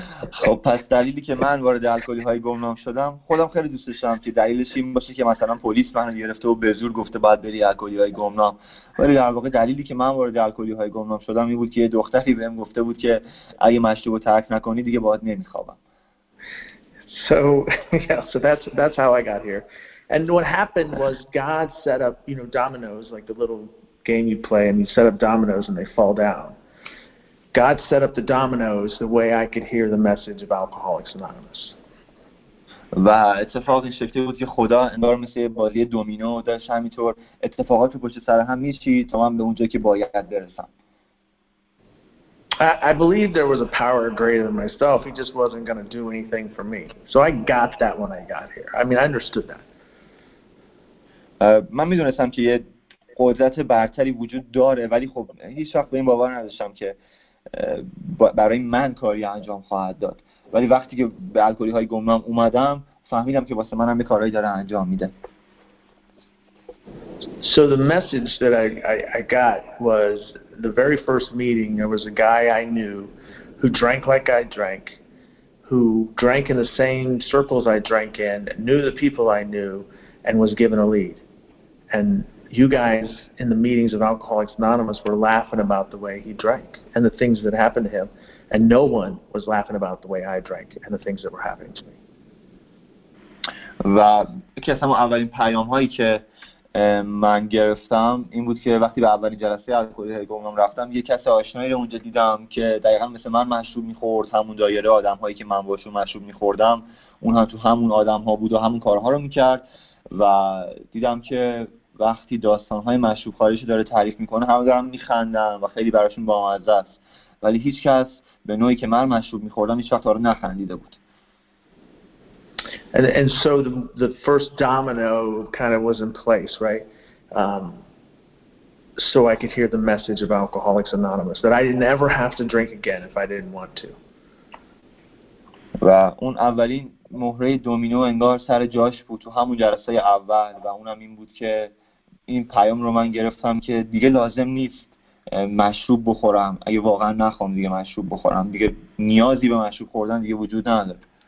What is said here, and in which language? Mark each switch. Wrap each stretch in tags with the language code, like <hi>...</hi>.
<fa>خب پس دلیلی که من وارد الکلی‌های گمنام شدم، خودم خیلی دوست داشتم که دلیلش این باشه که مثلا پلیس منو گرفته و به زور گفته باید بری الکلی‌های گمنام، ولی در واقع دلیلی که من وارد الکلی‌های گمنام شدم این بود که یه دختری بهم گفته بود که اگه مشروبو ترک نکنی دیگه باید نمیخوابم.</fa> <en>So that's how I got here. And what happened was God set up, you know, dominoes, like the little game you play, and you set up dominoes and they fall down. God set up the dominoes the way I could hear the message of Alcoholics Anonymous.</en> <fa>و اتفاقی شکلی بود که خدا انگار مثل بازی دومینو داشت همینطور اتفاقات رو پشت سر هم می‌چید تا من به اونجا که باید برسم.</fa> <en>I believe there was a power greater than myself. He just wasn't going to do anything for me. So I got that when I got here. I mean, I understood that.</en> <fa>من می‌دونستم که یه قدرت برتری وجود داره، ولی خب هیچ وقت به این باور نداشتم که برای من کاری انجام خواهد داد. ولی وقتی که به الکلی های گمنام اومدم فهمیدم که واسه منم یه کارهایی داره انجام میده.</fa> <en>So the message that I got was the very first meeting there was a guy I knew who drank like I drank, who drank in the same circles I drank in, knew the people I knew and was given a lead. And you guys in the meetings of Alcoholics Anonymous were laughing about the way he drank and the things that happened to him, and no one was laughing about the way I drank and the things that were happening to me.</en> <fa>و یکی از همون اولین پیام هایی که من گرفتم این بود که وقتی به اولین جلسه الکلی‌های گمنام رفتم یک کس آشنایی رو اونجا دیدم که دقیقا مثل من مشروب میخورد، همون دایره آدم هایی که من باشون مشروب میخوردم، اون هم تو همون آدم ها بود و همون کارها رو میکرد و دیدم که وقتی داستان‌های مشروب‌خواریش داره تعریف می‌کنه همه دارن می‌خندن و خیلی براشون بامزه است، ولی هیچ کس به نوعی که من مشروب می‌خوردم هیچ وقت آره نخندیده بود.</fa> <en>And so the first domino kind of was in place, right? So I could hear the message of Alcoholics Anonymous that I didn't ever have to drink again if I didn't want to.</en> <fa>و اون اولین مهره دومینو انگار سر جاش بود تو همون جلسه اول و اونم این بود که این پیام رو من گرفتم که دیگه لازم نیست مشروب بخورم، اگه واقعا نخوام دیگه مشروب بخورم، دیگه نیازی به مشروب خوردن دیگه وجود نداره.</fa>